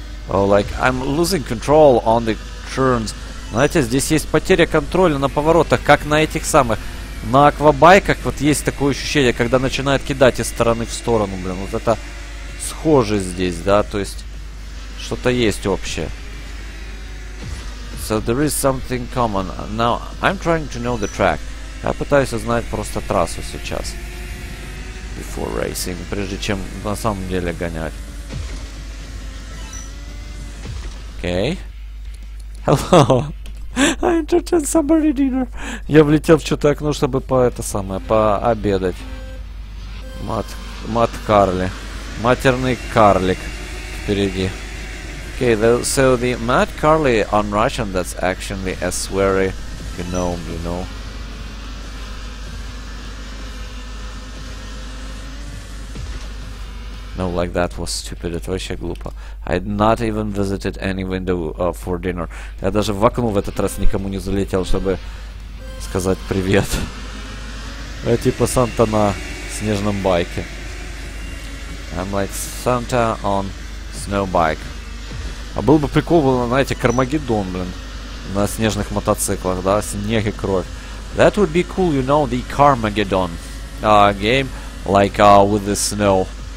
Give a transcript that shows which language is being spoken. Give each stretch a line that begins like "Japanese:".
English: Oh, like, I'm losing control on the turns.
Russian: Знаете, здесь есть потеря контроля на поворотах, как на этих самых. На аквабайках вот есть такое ощущение, когда начинает кидать из стороны в сторону, блин. Вот это схоже здесь, да, то есть что-то есть общее.
English: So there is something common. Now, I'm trying to know the track.
Russian: Я пытаюсь узнать просто трассу сейчас.
English: Before racing,
Russian: прежде чем на самом деле гонять.
English: Окей. Hello. I entertain somebody dinner.
Russian: Я влетел в чё-то окно, чтобы по это самое, пообедать. Мат Карли. Матерный карлик впереди.
English: Okay, so the Mat Carly on Russian, that's actually a sweary gnome, you know. No, like that was stupid.
Russian: Это вообще глупо.
English: I had not even visited any window for dinner.
Russian: Я даже в окно в этот раз никому не залетел, чтобы сказать привет. Я типа Санта на снежном байке.
English: I'm like Santa on snow bike.
Russian: А было бы прикольно, знаете, Кармагеддон, блин, на снежных мотоциклах, да, снег и кровь.
English: That would be cool, you know, the Carmageddon game, like with the snow.